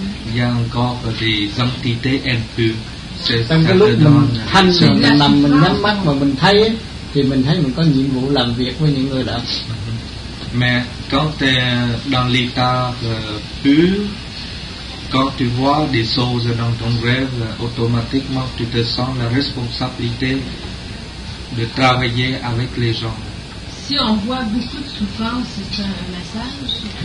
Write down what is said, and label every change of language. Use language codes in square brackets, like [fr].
[fr] Il y a encore des entités impures. C'est [vi] trong cái lúc mình thanh mình nằm mình nhắm mắt mà mình thấy thì mình thấy mình có nhiệm vụ làm việc với những người đó. [fr] Mais quand tu es dans l'état pur, quand tu vois des choses dans ton rêve, automatiquement tu te sens la responsabilité de travailler avec les gens. Si on voit beaucoup de souffrance, c'est un message.